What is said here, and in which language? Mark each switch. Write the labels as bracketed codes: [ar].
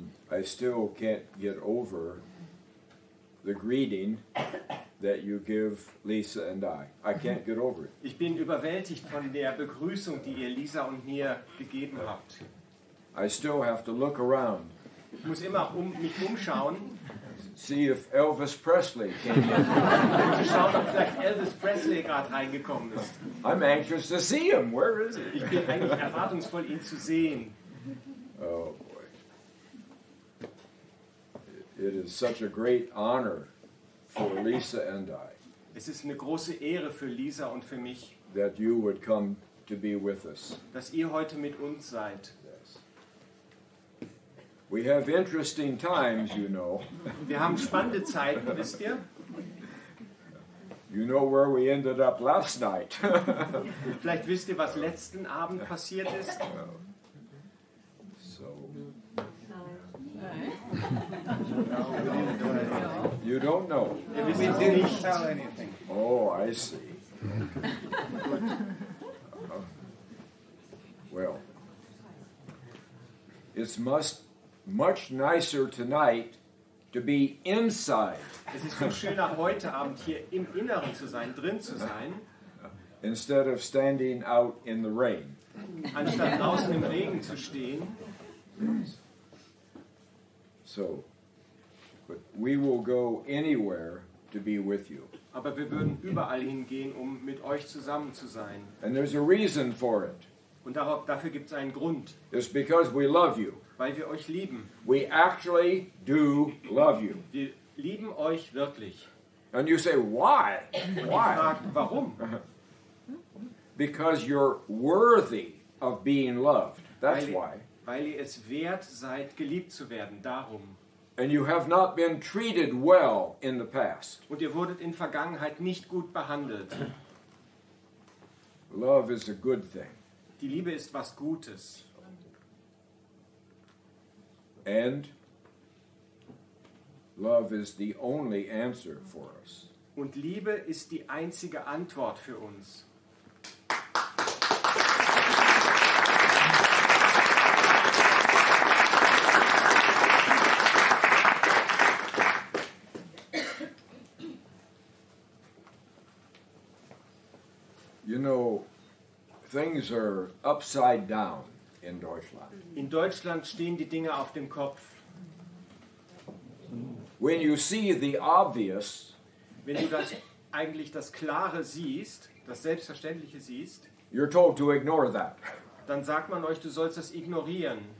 [en] I still can't get over the greeting that you give Lisa and I. I can't get over it. [de] Ich bin überwältigt von der Begrüßung, die ihr Lisa und mir gegeben habt. [en] I still have to look around. [de] Ich muss immer mich umschauen. [en] See if Elvis Presley came in. [de] Schauen, ob vielleicht Elvis Presley gerade reingekommen ist. [en] I'm anxious to see him. Where is he? [de] Ich bin eigentlich erwartungsvoll, ihn zu sehen. [en] Oh boy. It is such a great honor for Lisa and I. [de] Es ist eine große Ehre für Lisa und für mich. [en] That you would come to be with us. [de] Dass ihr heute mit uns seid. [en] We have interesting times, you know. [de] Wir haben spannende Zeiten, wisst ihr? [en] You know where we ended up last night. [de] Vielleicht wisst ihr, was letzten Abend passiert ist. [en] So. You don't know. We didn't tell anything. Oh, I see. Well, it's much nicer tonight to be inside. [de] Es ist viel schöner heute Abend hier im Inneren zu sein, drin zu sein. [en] Instead of standing out in the rain. [de] Anstatt draußen im Regen zu stehen. [en] So, but we will go anywhere to be with you. [de] Aber wir würden überall hingehen, um mit euch zusammen zu sein. [en] And there's a reason for it. [de] Und dafür gibt es einen Grund. [en] It's because we love you. [de] Weil wir euch lieben. [en] We actually do love you. [de] Wir lieben euch wirklich. [en] And you say, why? Why? [de] Ich frage, warum? [en] Because you're worthy of being loved. That's why. [de] Weil ihr es wert seid, geliebt zu werden. Darum. [en] And you have not been treated well in the past. [de] Und ihr wurdet in Vergangenheit nicht gut behandelt. [en] Love is a good thing. [de] Die Liebe ist was Gutes. [en] And love is the only answer for us. [de] Und Liebe ist die einzige Antwort für uns. [en] You know, things are upside down in Deutschland. [de] In Deutschland stehen die Dinge auf dem Kopf. [en] When you see the obvious, [de] wenn du das eigentlich das Klare siehst, das Selbstverständliche siehst, [en] you're told to ignore that. [de] Dann sagt man euch, du sollst das ignorieren.